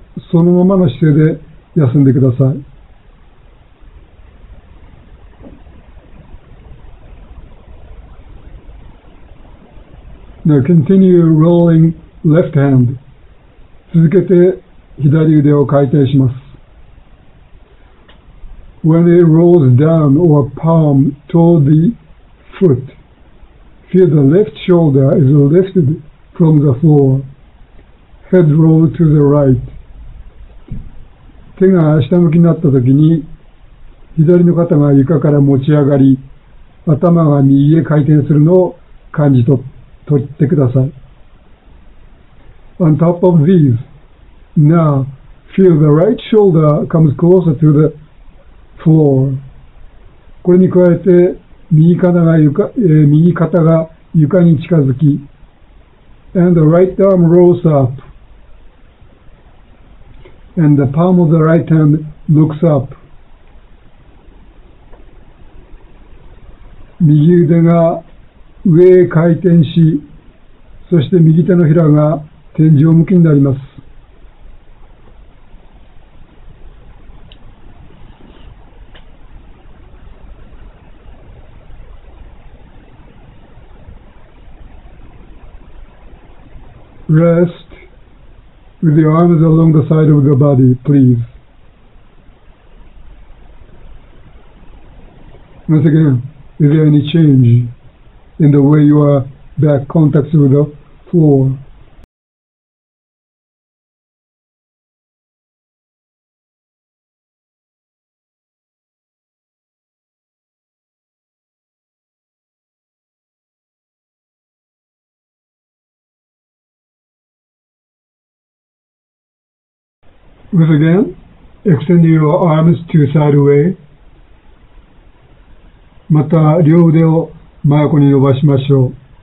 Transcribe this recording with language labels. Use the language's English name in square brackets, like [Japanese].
[Japanese] そのままの姿勢で休んでください。 [English] Now continue rolling left hand. [Japanese] 続けて左腕を回転します。 [English] When it rolls down or palm toward the foot, feel the left shoulder is lifted from the floor. Head roll to the right. [Japanese] 手が下向きになった時に左の肩が床から持ち上がり頭が右へ回転するのを感じ取ってください。 [English] On top of these, now feel the right shoulder comes closer to the floor. [Japanese] これに加えて右肩が床に近づき [English] And the right arm rolls up. And the palm of the right hand looks up. [Japanese] 右腕が上へ回転し、そして右手のひらが天井向きになります。 [English] Rest. With your arms along the side of the body, please. Once again, is there any change in the way your back contacts with the floor? with again, extend your arms to side way. [Japanese] また両腕を真横に伸ばしましょう。